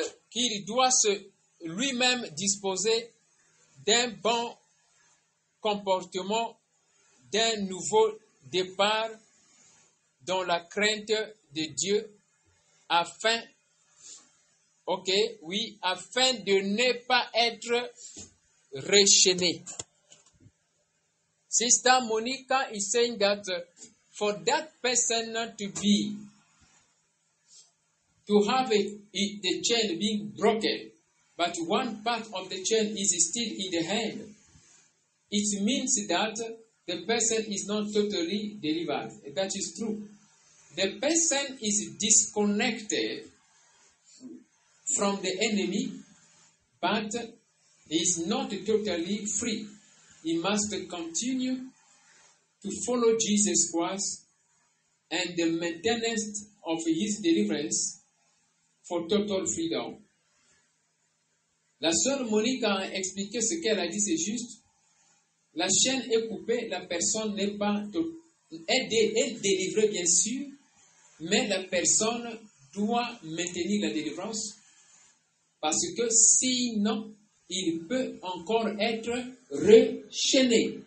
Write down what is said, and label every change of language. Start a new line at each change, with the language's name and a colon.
French: Qu'il doit se lui-même disposer d'un bon comportement, d'un nouveau départ dans la crainte de Dieu afin de ne pas être rechaîné.
English: Sister Monica is saying that for that person to be, to have the chain being broken, but one part of the chain is still in the hand, it means that the person is not totally delivered. That is true. The person is disconnected from the enemy, but is not totally free. He must continue to follow Jesus Christ and the maintenance of his deliverance for total freedom.
French: La sœur Monica a expliqué ce qu'elle a dit, c'est juste. La chaîne est coupée, la personne n'est pas aidée, elle est délivrée bien sûr, mais la personne doit maintenir la délivrance parce que sinon, il peut encore être rechaîné.